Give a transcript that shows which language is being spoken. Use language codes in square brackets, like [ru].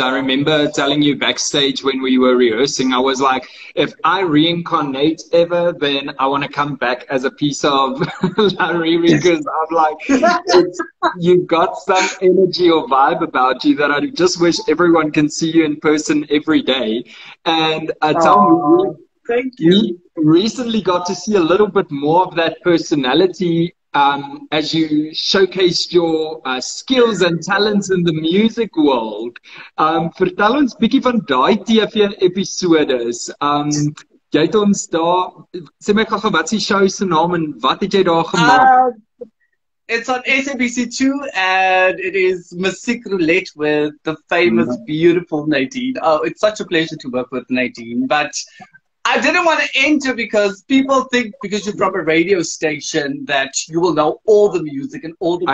[en] I remember telling you backstage when we were rehearsing, I was like, if I reincarnate ever, then I want to come back as a piece of Larry, because I'm like, you've got some energy or vibe about you that I just wish everyone can see you in person every day. And I tell you, thank you. We recently got to see a little bit more of that personality as you showcased your skills and talents in the music world. [af] Vertel ons bietjie van daai TV episodes. Jy het ons daar, sê my gaga, wat is die show se naam en wat het jy daar gemaak? [en] It's on SABC2, and it is Musik Roulette with the famous, beautiful Nadine. Oh, it's such a pleasure to work with Nadine, but I didn't want to enter because people think, because you're from a radio station, that you will know all the music and all the